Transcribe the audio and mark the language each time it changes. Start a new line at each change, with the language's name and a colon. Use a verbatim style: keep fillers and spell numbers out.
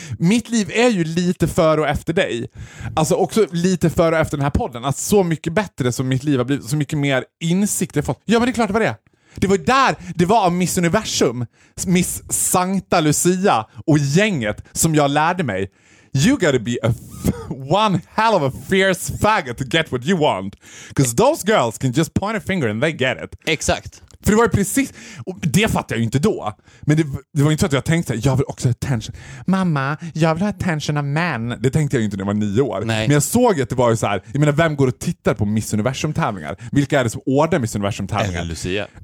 Swedish: Mitt liv är ju lite före och efter dig. Alltså också lite före och efter den här podden. Alltså så mycket bättre som mitt liv har blivit, så mycket mer insikt jag fått. Ja, men det är klart det var det. Det var där, det var Miss Universum, Miss Sankta Lucia och gänget som jag lärde mig.
English: You gotta be a f- one hell of a fierce faggot to get what you want. 'Cause those girls can just point a finger and they get it.
Swedish: Exakt. För det var ju precis, och det fattade jag ju inte då. Men det, det var inte så att jag tänkte jag vill också ha attention. Mamma, jag vill ha attention av män. Det tänkte jag ju inte när jag var nio år. Nej. Men jag såg att det var ju så här, jag menar, vem går och tittar på Miss Universum-tävlingar? Vilka är det som ordnar Miss Universum-tävlingar? Eller Lucia.